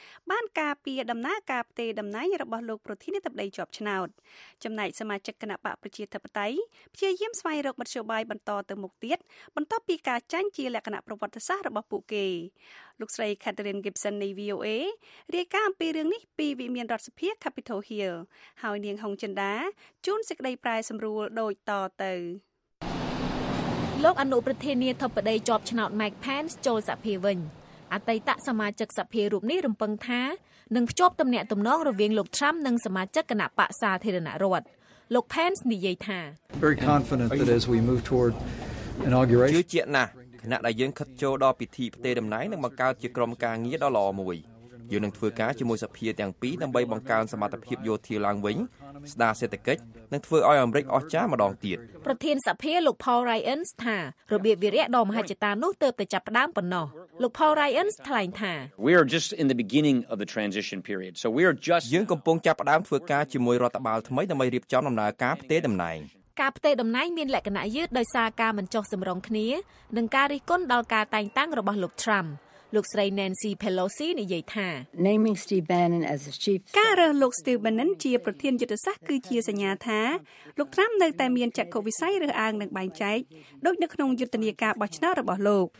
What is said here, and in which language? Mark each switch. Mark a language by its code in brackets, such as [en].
[km] បានការពារដំណើរការផ្ទេរតំណែងរបស់លោកប្រធានាធិបតីជាប់ឆ្នោតចំណែកសមាជិកគណៈបកប្រជាធិបតេយ្យព្យាយាមស្វែងរកមធ្យោបាយបន្តទៅមុខទៀតបន្ទាប់ពីការចាញ់ជាលក្ខណៈប្រវត្តិសាស្ត្ររបស់ពួកគេលោកស្រី Catherine Gibson នៃ VOA រាយការណ៍អំពីរឿងនេះពីវិមានរដ្ឋសភា Capitol Hill ហើយនាងហុងចិនដាជួនសេចក្តីប្រែសម្រួលដូចតទៅ លោកអនុប្រធានាធិបតីជាប់ឆ្នោត Mike Pence ចូលសភាវិញអតីតសមាជិកសភារូបនេះរំពឹងថានឹងភ្ជាប់ទំនាក់ទំនងរវាងលោក Trump និងសមាជិកគណៈបក្សសាធារណរដ្ឋលោក Pence និយាយថា [en] Very confident that as we move toward inauguration [km] ជឿជាក់ណាស់គណៈដែលយើងខិតចូលដល់ពិធីផ្ទេរតំណែងនឹងបង្កើតជាក្រុមការងារដ៏ល្អមួយយើងនឹងធ្វើការជាមួយសភាទាំងពីរដើម្បីបង្កើនសមត្ថភាពយោធាឡើងវិញស្ដារសេដ្ឋកិច្ចនិងធ្វើឲ្យអាមេរិកអស្ចារ្យម្ដងទៀត ប្រធានសភាលោក Paul Ryan ថារបៀបវារៈដ៏មហិច្ឆតានោះទើបតែចាប់ផ្ដើមប៉ុណ្ណោះលោក Paul Ryan ថ្លែងថា [en] We are just in the beginning of the transition period so we are just [km] យើងកំពុងចាប់ផ្ដើមធ្វើការជាមួយរដ្ឋបាលថ្មីដើម្បីរៀបចំដំណើរការផ្ទេរតំណែង ការផ្ទេរតំណែងមានលក្ខណៈយឺតដោយសារការមិនចុះសម្រុងគ្នានិងការរិះគន់ដល់ការតែងតាំងរបស់លោក Trump លោកស្រី Nancy Pelosi និយាយថា [en] Naming Steve Bannon as the chief [km] ការរើសលោក Steve Bannon ជាប្រធានយុទ្ធសាស្ត្រគឺជាសញ្ញាថាលោក Trump នៅតែមានចក្ខុវិស័យរើសអើងនិងបែងចែកដូចនៅក្នុងយុទ្ធនាការបោះឆ្នោតរបស់លោក